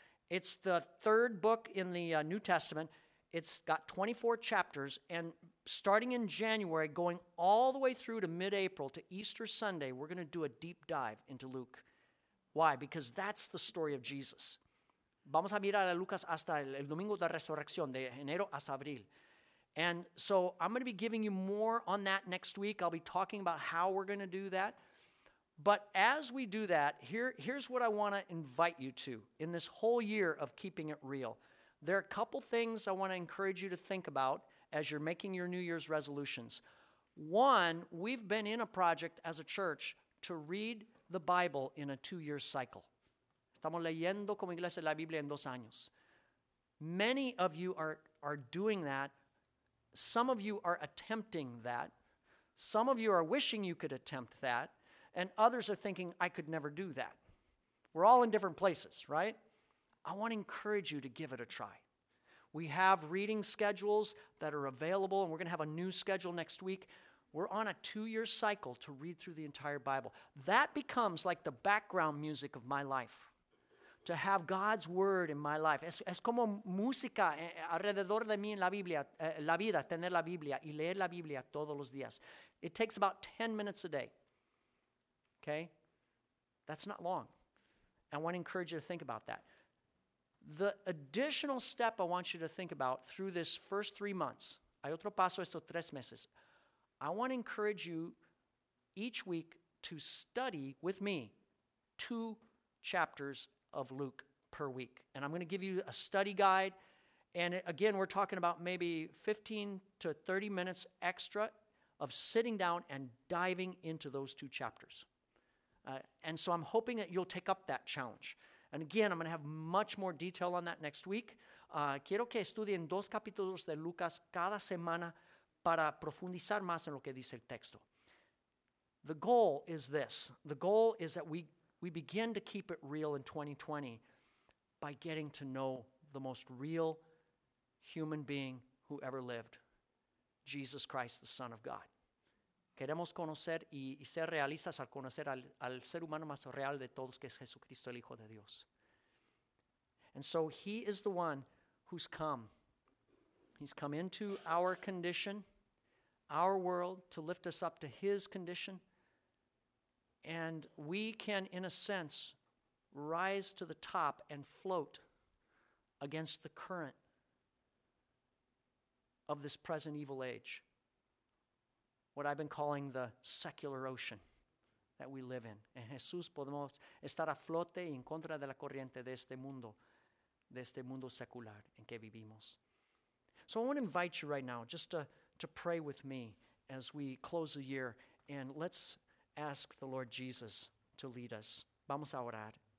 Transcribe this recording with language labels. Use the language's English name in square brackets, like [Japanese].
[English] It's the third book in the New Testament. It's got 24 chapters, and starting in January, going all the way through to mid-April, to Easter Sunday, we're going to do a deep dive into Luke. Why? Because that's the story of Jesus. [Spanish] Vamos a mirar a Lucas hasta el domingo de resurrección, de enero hasta abril. [English] And so I'm going to be giving you more on that next week. I'll be talking about how we're going to do that. But as we do that, here's what I want to invite you to in this whole year of keeping it real. There are a couple things I want to encourage you to think about as you're making your New Year's resolutions. One, we've been in a project as a church to read the Bible in a two-year cycle. [Spanish] Estamos leyendo como iglesia la Biblia en dos años. [English] Many of you are doing that. Some of you are attempting that. Some of you are wishing you could attempt that. And others are thinking, I could never do that. We're all in different places, right? I want to encourage you to give it a try. We have reading schedules that are available, and we're going to have a new schedule next week. We're on a two-year cycle to read through the entire Bible. That becomes like the background music of my life, to have God's word in my life. [Spanish] Es como música alrededor de mí en la Biblia, la vida, tener la Biblia y leer la Biblia todos los días. [English] It takes about 10 minutes a day. Okay? That's not long. I want to encourage you to think about that. The additional step I want you to think about through this first 3 months, [Spanish] hay otro paso estos tres meses. [English] I want to encourage you each week to study with me 2 chapters of Luke per week. And I'm going to give you a study guide. And again, we're talking about maybe 15 to 30 minutes extra of sitting down and diving into those 2 chapters. And so I'm hoping that you'll take up that challenge. And again, I'm going to have much more detail on that next week. [Spanish] Quiero que estudien 2 capítulos de Lucas cada semana para profundizar más en lo que dice el texto. [English] The goal is this. The goal is that we begin to keep it real in 2020 by getting to know the most real human being who ever lived, Jesus Christ, the Son of God. [Spanish] Queremos conocer y ser realistas al conocer al ser humano más real de todos, que es Jesucristo, el Hijo de Dios. [English] And so he is the one who's come. He's come into our condition, our world, to lift us up to his condition. And we can, in a sense, rise to the top and float against the current of this present evil age. What I've been calling the secular ocean that we live in. [Spanish] En Jesús podemos estar a flote en contra de la corriente de este mundo secular en que vivimos. [English] So I want to invite you right now just to pray with me as we close the year, and let's ask the Lord Jesus to lead us. [Spanish] Vamos a orar.